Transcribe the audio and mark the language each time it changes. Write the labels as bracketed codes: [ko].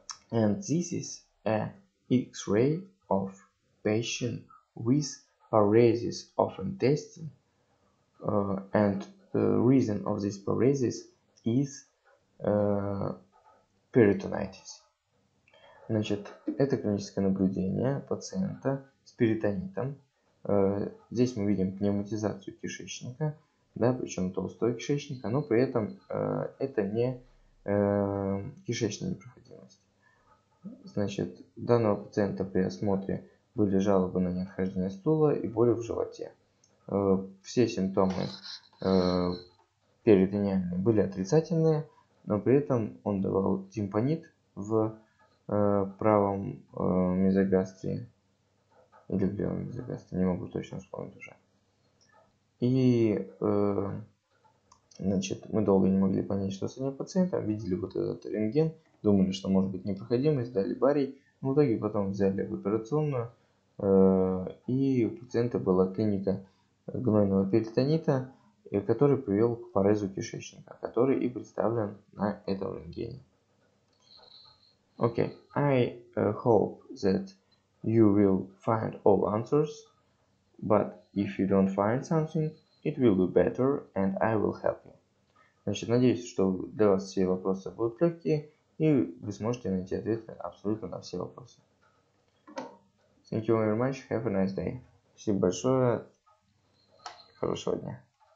[en] And this is a X-ray of patient with paresis of intestine, and the reason of this paresis is peritonitis. [ru] Значит, это клиническое наблюдение пациента с перитонитом. Здесь мы видим пневматизацию кишечника, да, причем толстого кишечника, но при этом это не кишечная непроходимость. Значит, данного пациента при осмотре были жалобы на неотхождение стула и боли в животе. Все симптомы перитониальные были отрицательные, но при этом он давал тимпанит в правом мезогастре или в левом мезогастре, не могу точно вспомнить уже. И Значит, мы долго не могли понять, что с этим пациентом, видели вот этот рентген, думали, что может быть непроходимость, дали барий, но в итоге потом взяли в операционную, и у пациента была клиника гнойного перитонита, который привел к парезу кишечника, который и представлен на этом рентгене. [en] Okay, I hope that you will find all answers, but if you don't find something, it will be better and I will help you. [ru] Значит, надеюсь, что для вас все вопросы будут легкие, и вы сможете найти ответы абсолютно на все вопросы. [en] Thank you very much. Have a nice day. [ru] Спасибо большое. Хорошего дня.